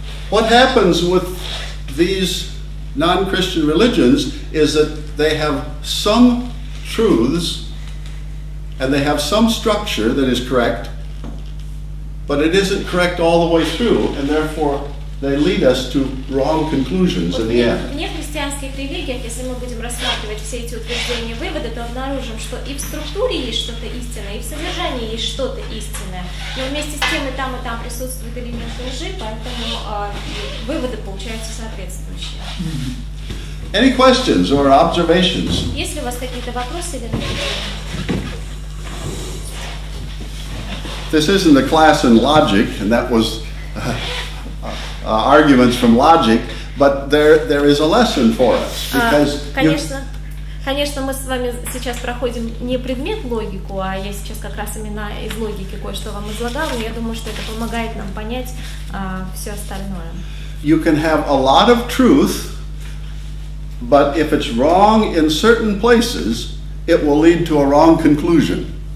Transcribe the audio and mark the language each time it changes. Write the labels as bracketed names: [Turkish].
[English] What happens with these non-Christian religions is that they have some truths, and they have some structure that is correct, but it isn't correct all the way through, and therefore they lead us to wrong conclusions in the end. [Russian] В нехристианских религиях, если мы будем рассматривать все эти утверждения и выводы, то обнаружим, что и в структуре есть что-то истинное, и в содержании есть что-то истинное. Но вместе с тем и там присутствуют элементы лжи, поэтому выводы получаются соответствующие. [English] Any questions or observations? [Russian] Есть ли у вас какие-то вопросы или наблюдения? [English] This isn't a class in logic, and that was arguments from logic, but there is a lesson for us because. [Russian] Конечно, мы с вами сейчас проходим не предмет логику, а я сейчас как раз именно из логики кое-что вам излагал, и я думаю, что это помогает нам понять все остальное. [English] You can have a lot of truth, but if it's wrong in certain places, it will lead to a wrong conclusion.